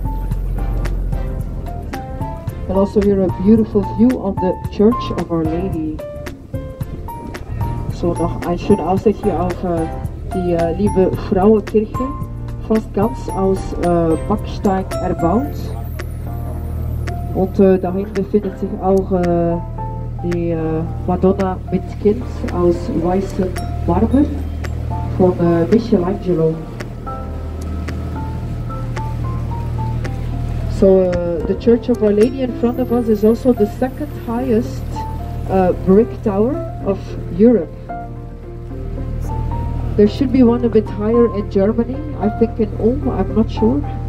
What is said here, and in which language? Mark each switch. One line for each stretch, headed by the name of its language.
English: And also we have a beautiful view on the Church of Our Lady.
German: So
Dutch: nog een
German: schön Aussicht hier auf die liebe Frauenkirche, fast ganz aus Backstein erbaut. Und dahin befindet sich auch die Madonna mit Kind aus weißem Marmor von Michelangelo.
English: So the Church of Our Lady in front of us is also the second highest brick tower of Europe. There should be one a bit higher in Germany, I think in Ulm, I'm not sure.